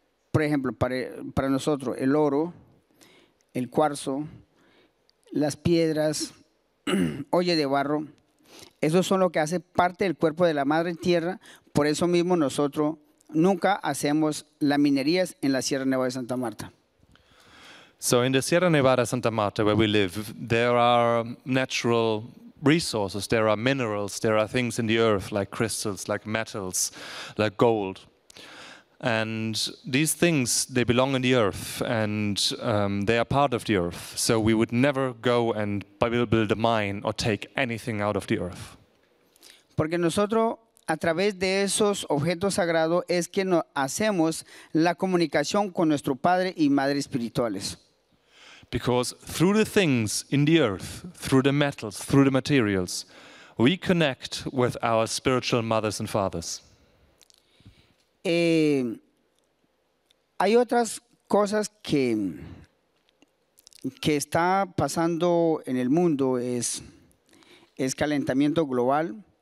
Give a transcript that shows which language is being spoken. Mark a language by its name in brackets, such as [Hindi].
[Spanish] Por ejemplo, para nosotros, el oro, el cuarzo, las piedras, olla de barro, esos son lo que hace parte del cuerpo de la madre tierra. Por eso mismo nosotros nunca hacemos las minerías en la Sierra Nevada de Santa Marta. [English] So in the Sierra Nevada Santa Marta, where we live, there are natural resources, there are minerals, there are things in the earth like crystals, like metals, like gold. And these things, they belong in the earth, and they are part of the earth. So we would never go and build a mine or take anything out of the earth. [Spanish] Porque nosotros, a través de esos objetos sagrados, es que nos hacemos la comunicación con nuestro padre y madre espirituales. [English] Because through the things in the earth, through the metals, through the materials, we connect with our spiritual mothers and fathers. [Spanish] Hay otras cosas que está pasando en el mundo, es calentamiento global.